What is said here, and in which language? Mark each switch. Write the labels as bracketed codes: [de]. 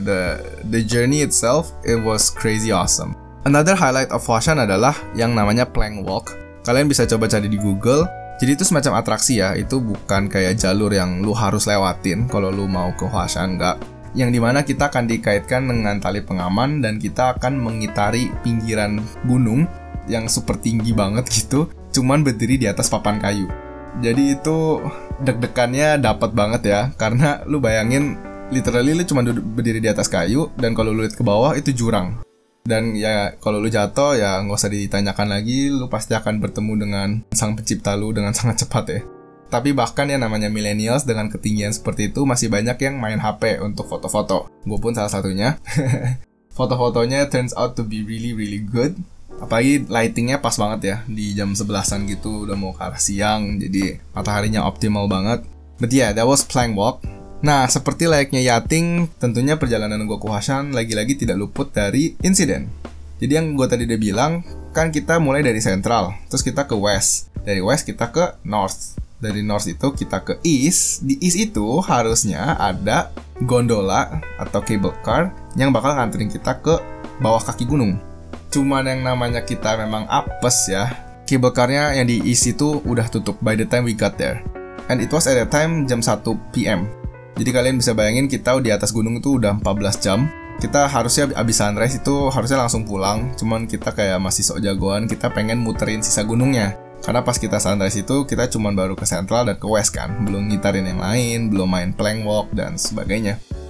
[en] The journey itself, it was crazy awesome. Another highlight of [id] Huashan adalah yang namanya Plank Walk. Kalian bisa coba cari di Google. Jadi itu semacam atraksi ya, itu bukan kayak jalur yang lu harus lewatin kalau lu mau ke Huashan, enggak. Yang dimana kita akan dikaitkan dengan tali pengaman dan kita akan mengitari pinggiran gunung yang super tinggi banget gitu, cuman berdiri di atas papan kayu. Jadi itu deg-degannya dapat banget ya, karena lu bayangin literally lu cuma duduk berdiri di atas kayu dan kalau lu lihat ke bawah itu jurang. Dan ya kalau lu jatuh ya enggak usah ditanyakan lagi, lu pasti akan bertemu dengan sang pencipta lu dengan sangat cepat ya. Tapi bahkan ya namanya millennials dengan ketinggian seperti itu masih banyak yang main HP untuk foto-foto. Gua pun salah satunya. Foto-fotonya [en] turns out to be really really good. [id] Apalagi lightingnya pas banget ya, di jam 11-an gitu udah mau ke arah siang, jadi mataharinya optimal banget. [en] But yeah, that was Plank Walk. [id] Nah, seperti layaknya yating, tentunya perjalanan gua ke Huashan lagi-lagi tidak luput dari insiden. Jadi yang gua tadi udah bilang, kan kita mulai dari central, terus kita ke west. Dari west kita ke north. Dari north itu kita ke east. Di east itu harusnya ada gondola atau cable car yang bakal nganterin kita ke bawah kaki gunung. Cuman yang namanya kita memang apes ya, cable car-nya yang diisi tuh udah tutup [en] by the time we got there. And it was at that time [id] jam 1 PM. Jadi kalian bisa bayangin kita di atas gunung itu udah 14 jam. Kita harusnya abis sunrise itu harusnya langsung pulang. Cuman kita kayak masih sok jagoan, kita pengen muterin sisa gunungnya. Karena pas kita sunrise itu kita cuman baru ke central dan ke west kan, belum ngitarin yang lain, belum main plank walk dan sebagainya.